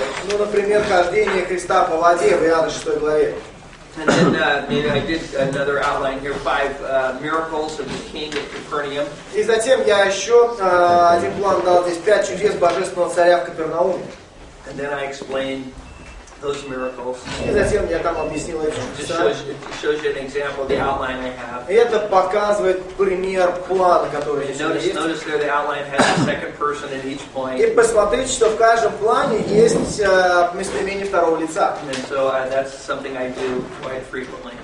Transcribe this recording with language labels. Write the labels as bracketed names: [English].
[Russian] Ну, например, хождение Христа по воде в Иоанна 6 главе. [English] And then I did another outline here, five miracles of the king of Capernaum. [Russian] И затем я еще один план дал здесь, пять чудес божественного царя в Капернауме. [English] And then I explained those miracles. [Russian] И затем я там объяснил эти чудеса. [English] It shows you an example of the outline I have. [Russian] И это показывает пример плана, который здесь есть. [English] Notice there the outline has a second person at each point. [Russian] И посмотрите, что в каждом плане есть местоимение второго лица. [English] And so that's something I do quite frequently.